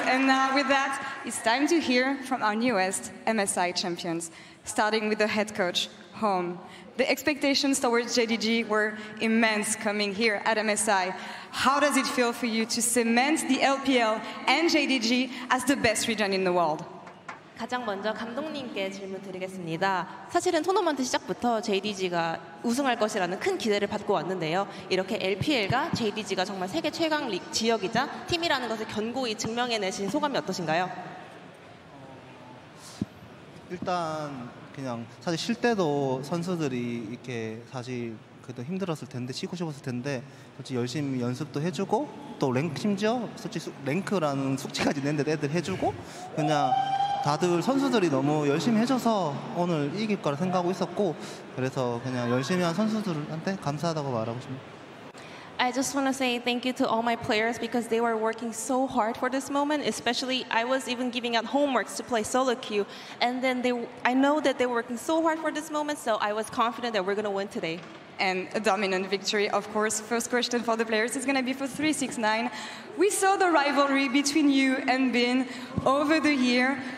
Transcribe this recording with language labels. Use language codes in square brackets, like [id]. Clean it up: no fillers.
[en] And now with that, it's time to hear from our newest MSI champions, starting with the head coach, Home. The expectations towards JDG were immense coming here at MSI. How does it feel for you to cement the LPL and JDG as the best region in the world? [ko] 가장 먼저 감독님께 질문 드리겠습니다. 사실은 토너먼트 시작부터 JDG가 우승할 것이라는 큰 기대를 받고 왔는데요. 이렇게 LPL과 JDG가 정말 세계 최강 지역이자 팀이라는 것을 견고히 증명해내신 소감이 어떠신가요? 일단 그냥 사실 쉴 때도 선수들이 이렇게 사실 그래도 힘들었을 텐데 쉬고 싶었을 텐데 솔직히 열심히 연습도 해주고 또 랭크 심지어 솔직히 랭크라는 숙제까지 냈는데 애들 해주고 그냥 다들 선수들이 너무 열심히 해줘서 오늘 이길 거라 생각하고 있었고 그래서 그냥 열심히 한 선수들한테 감사하다고 말하고 싶습니다. [en] I just want to say thank you to all my players because they were working so hard for this moment, especially I was even giving out homeworks to play solo queue, and then I know that they were working so hard for this moment, so I was confident that we're going to win today. And a dominant victory, of course. First question for the players is going to be for 369. We saw the rivalry between you and Bin over the year.